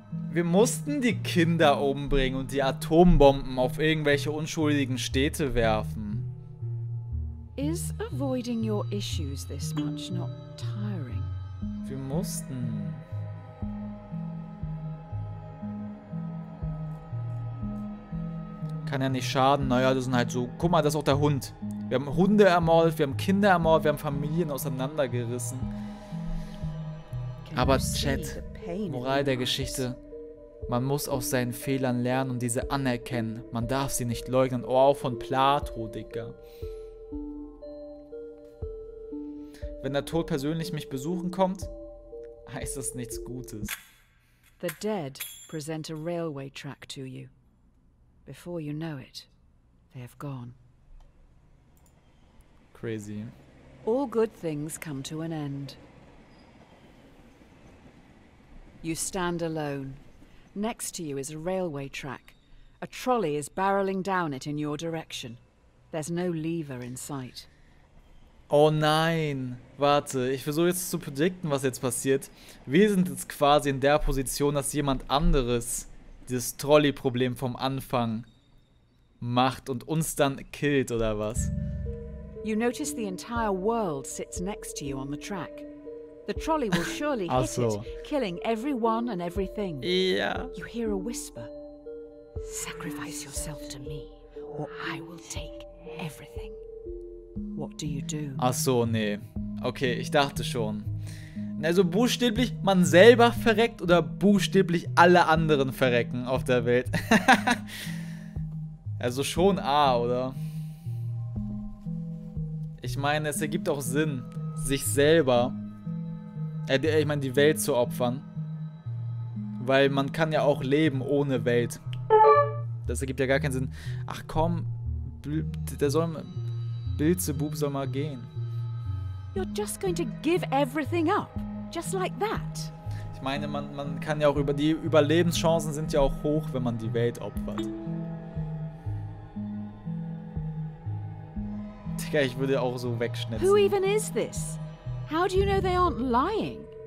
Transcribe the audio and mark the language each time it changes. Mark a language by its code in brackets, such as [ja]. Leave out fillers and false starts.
[de] Wir mussten die Kinder umbringen und die Atombomben auf irgendwelche unschuldigen Städte werfen. [en] Is avoiding your issues this much not tiring? [de] Wir mussten. Kann ja nicht schaden. Naja, das sind halt so. Guck mal, das ist auch der Hund. Wir haben Hunde ermordet, wir haben Kinder ermordet, wir haben Familien auseinandergerissen. Aber Chat, Moral der Geschichte. Man muss aus seinen Fehlern lernen und diese anerkennen. Man darf sie nicht leugnen. Oh, auch von Plato, Digga. Wenn der Tod persönlich mich besuchen kommt, heißt das nichts Gutes. [en] The dead present a railway track to you. Before you know it, they have gone. Crazy. All good things come to an end. You stand alone. Next to you is a railway track. A trolley is barreling down it in your direction. There's no lever in sight. [de] Oh nein, warte, ich versuche jetzt zu predikten, was jetzt passiert. Wir sind jetzt quasi in der Position, dass jemand anderes dieses Trolley-Problem vom Anfang macht und uns dann killt, oder was? [en] You notice the entire world sits next to you on the track. The trolley will surely hit so. It, killing everyone and everything. Yeah. You hear a whisper. Sacrifice yourself to me, or I will take everything. What do you do? [de] Ach so, nee. Okay, ich dachte schon. Also buchstäblich man selber verreckt oder buchstäblich alle anderen verrecken auf der Welt. Also schon A, oder? Ich meine, es ergibt auch Sinn, sich selber, ich meine die Welt zu opfern. Weil man kann ja auch leben ohne Welt. Das ergibt ja gar keinen Sinn. Ach komm, der soll... Beelzebub soll mal gehen. [en] You're just going to give everything up, just like that. [de] Ich meine, man kann ja auch über die Überlebenschancen sind ja auch hoch, wenn man die Welt opfert. Digga, ich würde auch so wegschnitzen. [en] Who even is this? How do you know they aren't lying?